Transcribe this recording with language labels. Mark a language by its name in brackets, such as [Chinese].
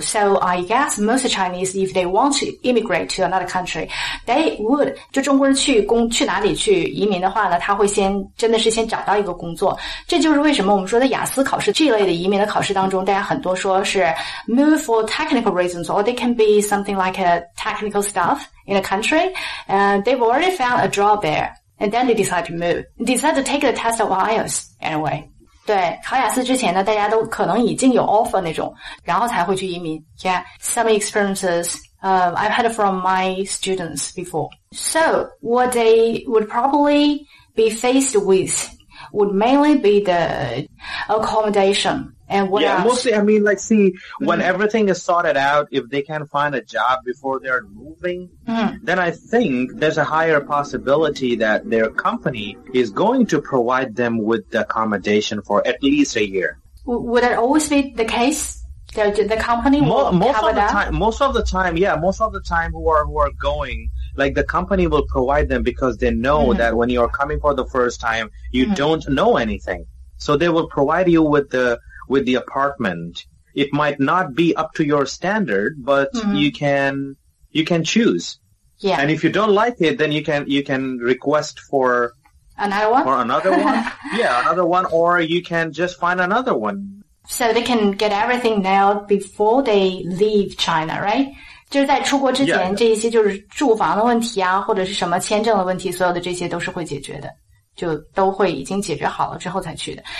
[English] So I guess most Chinese, if they want to immigrate to another country, they would. [Chinese] 就中国人去哪里去移民的话呢，他会先真的是先找到一个工作。这就是为什么我们说的雅思考试这类的移民的考试当中，大家很多说是 [English] move for technical reasons, or they can be something like a technical stuff in a country, and they've already found a job there, and then they decide to move, decide to take the test of IELTS anyway. [Chinese] 对，考雅思之前呢，大家都可能已经有 offer 那种，然后才会去移民。 [English] Yeah, some experiences, I've had from my students before. So, what they would probably be faced with would mainly be the accommodation. And what yeah, else? Mostly, I mean, like, see, when everything is sorted out, if they can find a job before they're moving, then I think there's a higher possibility that their company is going to provide them with the accommodation for at least a year. Would that always be the case? The company most of the time who are going, like, the company will provide them because they know that when you're coming for the first time, you don't know anything. So they will provide you with the apartment. It might not be up to your standard, but you can choose. Yeah. And if you don't like it, then you can request for another one. Yeah, another one, or you can just find another one. So they can get everything nailed before they leave China, right? [Chinese] 就是在出国之前，这一些就是住房的问题啊，或者是什么签证的问题，所有的这些都是会解决的，就都会已经解决好了之后才去的。